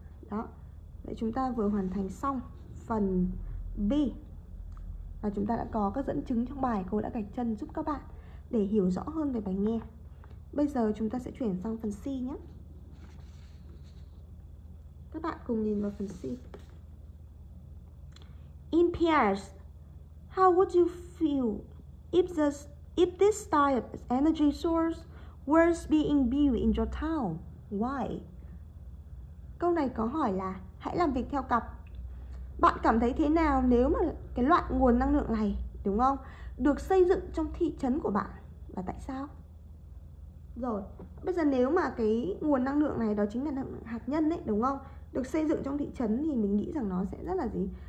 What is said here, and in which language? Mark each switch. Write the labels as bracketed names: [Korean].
[Vietnamese] Đó. Vậy chúng ta vừa hoàn thành xong phần B. Và chúng ta đã có các dẫn chứng trong bài, cô đã gạch chân giúp các bạn để hiểu rõ hơn về bài nghe. Bây giờ chúng ta sẽ chuyển sang phần C nhé. Các bạn cùng nhìn vào phần C. [English] In pairs, how would you feel if this type of energy source was being built in your town? Why? [Vietnamese] Câu này có hỏi là hãy làm việc theo cặp. Bạn cảm thấy thế nào nếu mà cái loại nguồn năng lượng này, đúng không, được xây dựng trong thị trấn của bạn và tại sao? Rồi, bây giờ nếu mà cái nguồn năng lượng này đó chính là năng lượng hạt nhân ấy, đúng không, được xây dựng trong thị trấn thì mình nghĩ rằng nó sẽ rất là gì?